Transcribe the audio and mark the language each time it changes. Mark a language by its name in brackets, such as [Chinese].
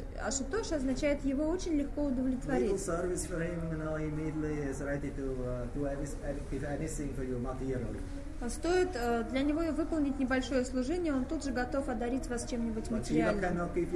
[Russian] Ашутош означает его очень легко удовлетворить. [English] Little service for him, you know, immediately is ready to do anything for you materially. [Russian] Стоит для него выполнить небольшое служение, он тут же готов одарить вас чем-нибудь материальным.